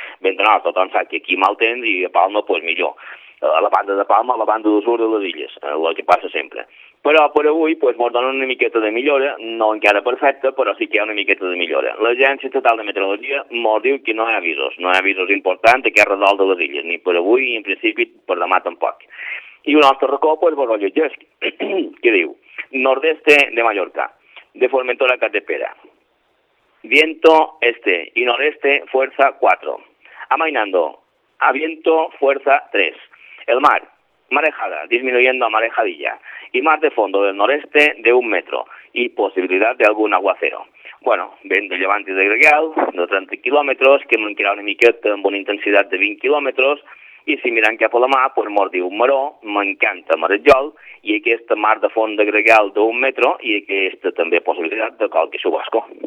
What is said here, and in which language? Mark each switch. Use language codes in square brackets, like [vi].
[ca] Vent de nord, tothom sap que aquí mal temps i a Palma, pues, millor. A la banda de Palma, a la banda del sud de les illes, el que passa sempre. Però per avui pues, mos donen una miqueta de millora, no encara perfecta, però sí que hi ha una miqueta de millora. L'Agència Estatal de Meteorologia mos diu que no hi ha avisos, no hi ha avisos importants de què es resol de les illes, ni per avui ni en principi per demà tampoc. I un altre racó, pues, vos ho llegeix, que diu, [es] nordeste de Mallorca, de Formentora a Capdepera, viento este y noreste fuerza 4, amainando a viento fuerza 3, el mar, marejada, disminuyendo a marejadilla, y más de fondo del noreste de 1 metro, y posibilidad de algún aguacero. [ca] Bueno, vent de llevant i de gregal, de 30 quilòmetres, que manquirà una miqueta amb una intensitat de 20 quilòmetres, i si mirant cap a la mà, pues mos diu maró, m'encanta marejol, i aquesta mar de fons de gregal d'un metro, i aquesta també possibilitat de qualque xubasco.